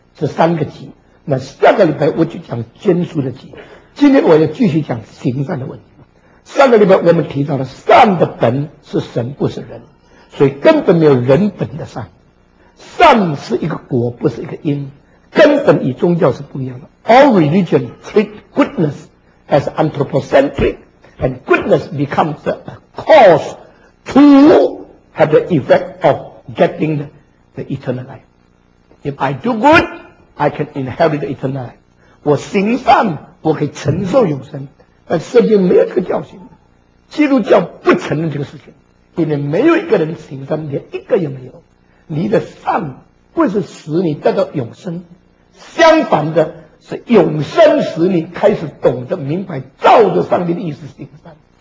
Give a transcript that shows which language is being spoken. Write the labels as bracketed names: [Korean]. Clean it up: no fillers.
[Chinese] 这三个祭，那下个礼拜我就讲捐书的祭，今天我要继续讲行善的问题。上个礼拜我们提到了善的本是神不是人，所以根本没有人本的善，善是一个果不是一个因，根本与宗教是不一样的。 [English] All religion treat goodness as anthropocentric and goodness becomes a cause to have the effect of getting the eternal life. If I do good, I can inherit the eternal life. [Chinese] 我行善，我可以承受永生。但圣经没有这个教训，基督教不承认这个事情，因为没有一个人行善，连一个也没有。你的善不是使你得到永生，相反的是永生使你开始懂得明白照着上帝的意思行善。